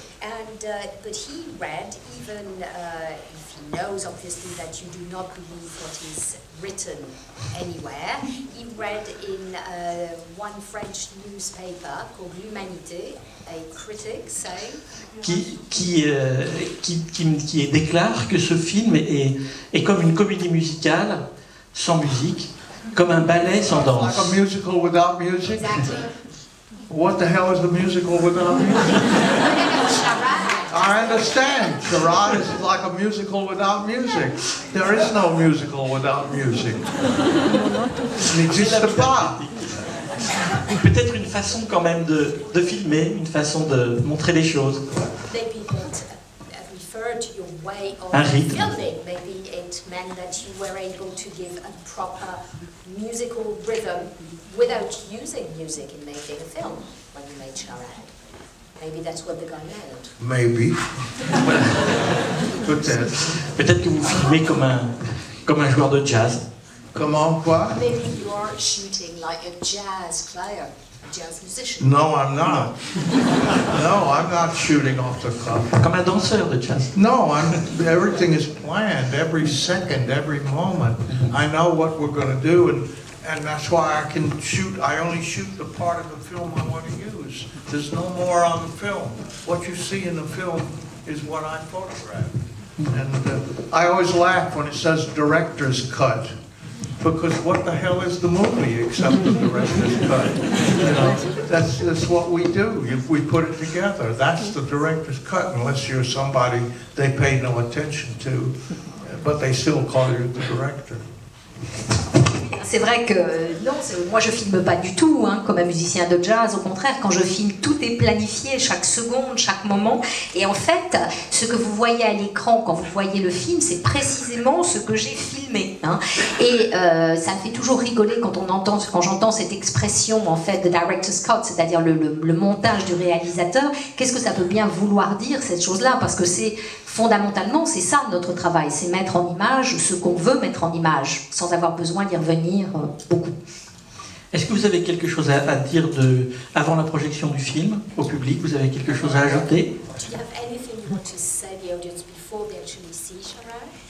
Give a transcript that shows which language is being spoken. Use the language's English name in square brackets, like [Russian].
[English] And but he read, even if he knows obviously that you do not believe what is written anywhere, he read in one French newspaper called L'Humanité, a critic saying, [French] qui déclare que ce film est comme une comédie musicale sans musique, comme un ballet sans danse. [English] Like a musical without music. Exactly. What the hell is a musical without music? Charade. I understand. Charade is like a musical without music. There is no musical without music. [French] Il n'existe pas. Peut-être une façon quand même de filmer, une façon de montrer les choses. [English] Maybe it referred to your way of filming. Maybe it meant that you were able to give a proper musical rhythm without using music in making a film when you made Charade. Maybe that's what the guy meant. Maybe. [French] Peut-être que vous filmez comme un joueur de jazz. Comment, quoi? [English] Maybe you are shooting like a jazz player. jazz musician. No, I'm not. No, I'm not shooting off the cuff. [French] Comme un danseur de jazz. [English] No, everything is planned, every second, every moment. I know what we're going to do, and that's why I can shoot. I only shoot the part of the film I want to use. There's no more on the film. What you see in the film is what I photographed. And I always laugh when it says director's cut, because what the hell is the movie except the director's cut? You know, that's what we do. If we put it together, that's the director's cut, unless you're somebody they pay no attention to, but they still call you the director. [French] C'est vrai que non, moi je filme pas du tout hein, comme un musicien de jazz. Au contraire, quand je filme, tout est planifié, chaque seconde, chaque moment. Et en fait, ce que vous voyez à l'écran quand vous voyez le film, c'est précisément ce que j'ai filmé. Hein. Et ça me fait toujours rigoler quand j'entends cette expression en fait de director's cut, c'est-à-dire le montage du réalisateur. Qu'est-ce que ça peut bien vouloir dire cette chose-là ? Parce que c'est fondamentalement, c'est ça notre travail, c'est mettre en image ce qu'on veut mettre en image, sans avoir besoin d'y revenir beaucoup. Est-ce que vous avez quelque chose à dire de, avant la projection du film au public? Vous avez quelque chose à ajouter? [English] Do you have anything you want to say to the audience before they actually see Sharon?